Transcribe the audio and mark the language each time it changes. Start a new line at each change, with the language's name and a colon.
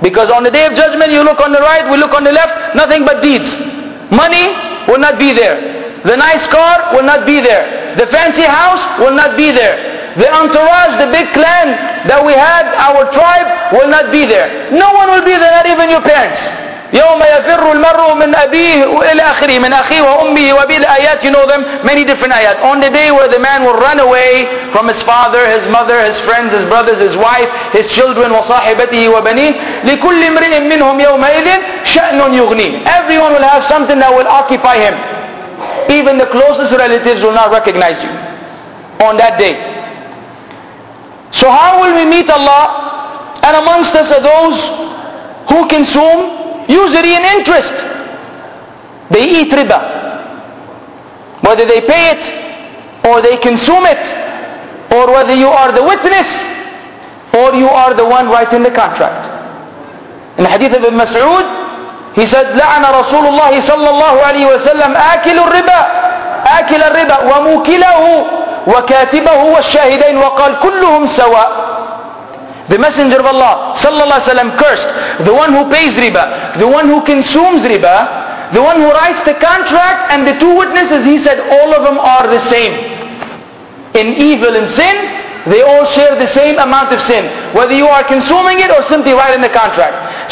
English: Because on the day of judgment you look on the right, we look on the left, nothing but deeds. Money will not be there. The nice car will not be there. The fancy house will not be there. The entourage, the big clan that we had, our tribe, will not be there. No one will be there, not even your parents.
Arabic: يوم يفر المرء من أبيه إلى آخره من أخيه وأمه وبيل آيات.
English: You know them, many different آيات. On the day where the man will run away from his father, his mother, his friends, his brothers, his wife, his children,
Arabic: وصاحبته وبنيه. لكل امرئ منهم يومئذ شأن يغني.
English: Everyone will have something that will occupy him. Even the closest relatives will not recognize you on that day. So how will we meet Allah? And amongst us are those who consume usury and interest. They eat riba, whether they pay it or they consume it, or whether you are the witness or you are the one writing the contract. In the hadith of Ibn Mas'ud, he said,
Arabic: لعن رسول الله صلى الله عليه وسلم آكل الربا آكل الربا وموكله وكاتبه والشاهدين وقال كلهم سواء.
English: The Messenger of Allah
Arabic: صلى الله عليه وسلم
English: cursed the one who pays riba, the one who consumes riba, the one who writes the contract, and the two witnesses. He said all of them are the same in evil and sin. They all share the same amount of sin, whether you are consuming it or simply writing the contract.